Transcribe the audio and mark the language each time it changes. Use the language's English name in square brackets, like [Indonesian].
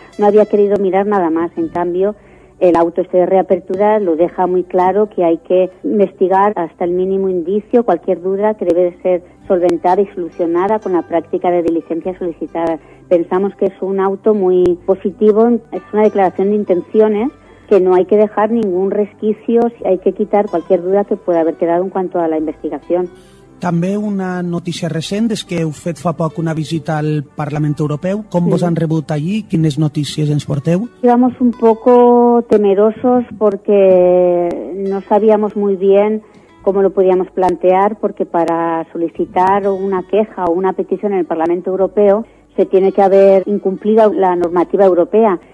[Spanish] No había querido mirar nada más. En cambio, el auto este de reapertura lo deja muy claro, que hay que investigar hasta el mínimo indicio, cualquier duda que debe ser solventada y solucionada con la práctica de diligencia solicitada. Pensamos que es un auto muy positivo, es una declaración de intenciones, que no hay que dejar ningún resquicio, hay que quitar cualquier duda que pueda haber quedado en cuanto a la investigación. [Catalan] També una notícia recent és que heu fet fa poc una visita al Parlament Europeu. Com sí. Vos han rebut allí? Quines notícies ens porteu? [Spanish] Íbamos un poco temerosos porque no sabíamos muy bien cómo lo podíamos plantear, porque para solicitar una queja o una petición en el Parlamento Europeo se tiene que haber incumplido la normativa europea.